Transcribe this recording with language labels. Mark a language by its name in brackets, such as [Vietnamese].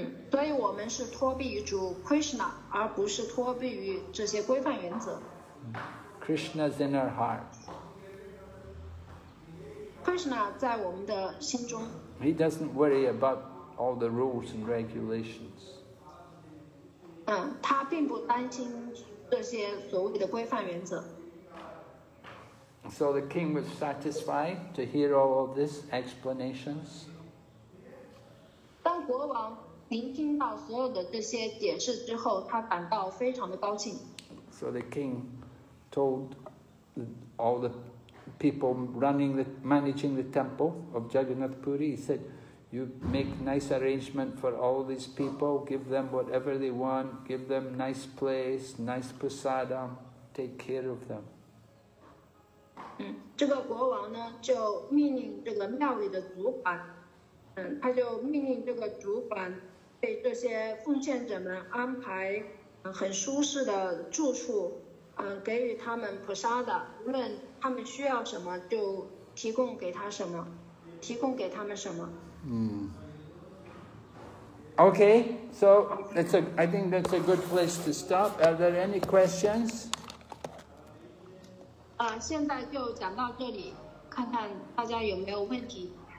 [Chinese] 所以我们是托庇于主 Krishna, 而不是托庇于这些规范原则。 [English] Krishna's in our heart. [Chinese] Krishna 在我们的心中。 [English] He doesn't worry about all the rules and regulations. [Chinese] 他并不担心这些所谓的规范原则。 [English] So the king was satisfied to hear all of these explanations. [Chinese] 当国王聆听到所有的这些解释之后，他感到非常的高兴。 [English] So the king told all the people running the managing the temple of Jagannath Puri. He said, "You make nice arrangement for all these people. Give them whatever they want. Give them nice place, nice prasadam. Take care of them." [Chinese] 这个国王呢，就命令这个庙里的主管，他就命令这个主管为这些奉献者们安排很舒适的住处，给予他们菩萨的，无论他们需要什么，就提供给他什么，提供给他们什么。 [English] Okay, so I think that's a good place to stop. Are there any questions? [Chinese] 现在就讲到这里，看看大家有没有问题。